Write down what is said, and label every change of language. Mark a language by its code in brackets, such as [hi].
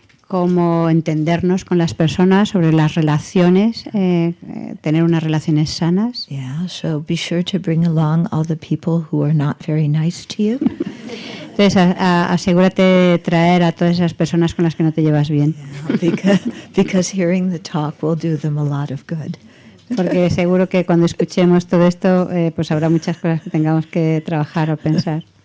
[es] cómo entendernos con las personas, sobre las relaciones, tener unas relaciones sanas. [en] Yeah, so be sure to bring along all the people who are not very nice to you. [es] Entonces, asegúrate de traer a todas esas personas con las que no te llevas bien. [en] Yeah, because hearing the talk will do them a lot of good. [es] Porque seguro que cuando escuchemos todo esto, pues habrá muchas cosas que tengamos que trabajar o pensar.